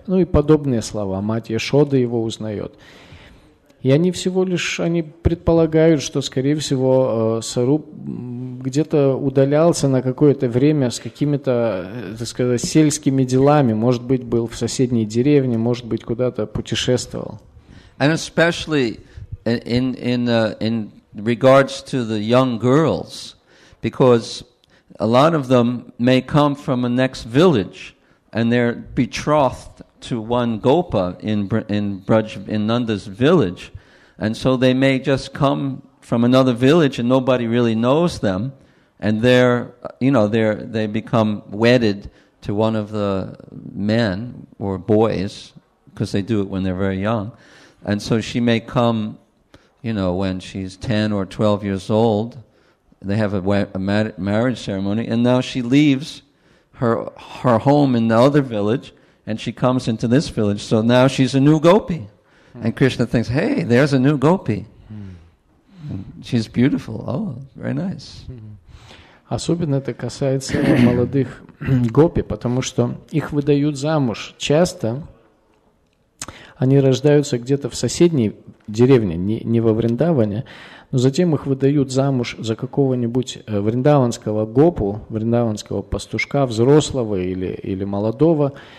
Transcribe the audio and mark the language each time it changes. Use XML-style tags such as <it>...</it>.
<ru>Ну и подобные слова, мать Яшода его узнает. И они всего лишь, они предполагают, что, скорее всего, Саруп где-то удалялся на какое-то время с какими-то, так сказать, сельскими делами. Может быть, был в соседней деревне, может быть, куда-то путешествовал.</ru> <en>And especially in regards to the young girls, because a lot of them may come from a next village, and they're betrothed to one gopa in Nanda's village. And so they may just come from another village and nobody really knows them, And they're, you know, they become wedded to one of the men or boys, because they do it when they're very young. And so she may come, you know, when she's 10 or 12 years old. They have a marriage ceremony, and now she leaves her home in the other village, and she comes into this village. So now she's a new gopi. And Krishna thinks, hey, there's a new gopi. She's beautiful. Oh, very nice.</en> <ru>Особенно это касается молодых гопи, потому что их выдают замуж часто. Они рождаются где-то в соседней деревне, не во Вриндаване, но затем их выдают замуж за какого-нибудь вриндаванского гопу, вриндаванского пастушка, взрослого или молодого.</ru>